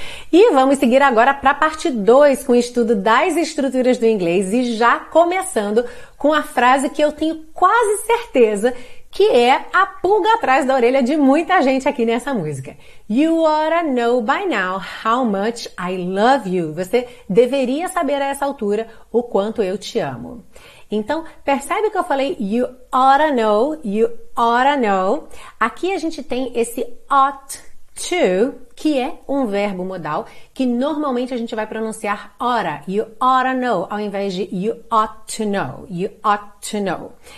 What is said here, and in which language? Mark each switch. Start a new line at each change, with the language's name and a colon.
Portuguese: E vamos seguir agora para a parte 2 com o estudo das estruturas do inglês e já começando com a frase que eu tenho quase certeza que é a pulga atrás da orelha de muita gente aqui nessa música.
English: You oughta know by now how much I love you.
Portuguese: Você deveria saber a essa altura o quanto eu te amo. Então, percebe que eu falei
English: you oughta know, you oughta know.
Portuguese: Aqui a gente tem esse ought to, que é um verbo modal, que normalmente a gente vai pronunciar ora,
English: you oughta know,
Portuguese: ao invés de
English: you ought to know, you ought to know.